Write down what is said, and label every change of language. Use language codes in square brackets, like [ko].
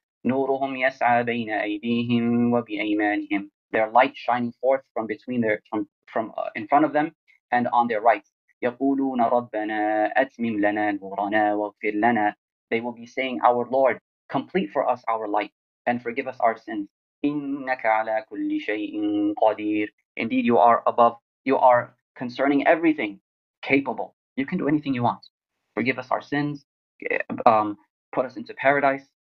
[ar] نورهم يسعى بين أيديهم وبأيمانهم. [en] Their light shining forth from between their from in front of them and on their right. [ar] يقولون ربنا أتمم لنا نورنا واغفر لنا. [en] They will be saying, our Lord, complete for us our light and forgive us our sins. [ar] إنك على كل شيء قدير. [en] Indeed, you are above. You are concerning everything, capable. You can do anything you want. Forgive us our sins. Put us into paradise.